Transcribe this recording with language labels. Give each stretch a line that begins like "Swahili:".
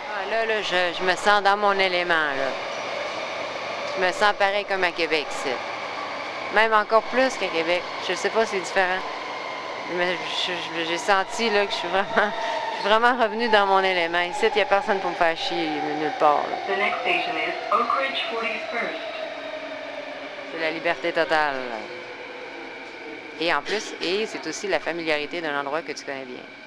French: Là, je me sens dans mon élément, là. Je me sens pareil comme à Québec, ici. Même encore plus qu'à Québec. Je sais pas, c'est différent. Mais j'ai senti, là, que je suis vraiment revenue dans mon élément. Ici, il n'y a personne pour me faire chier nulle part, là.
English: The next station is Oak Ridge 41st.
French: C'est la liberté totale, là. Et en plus, c'est aussi la familiarité d'un endroit que tu connais bien.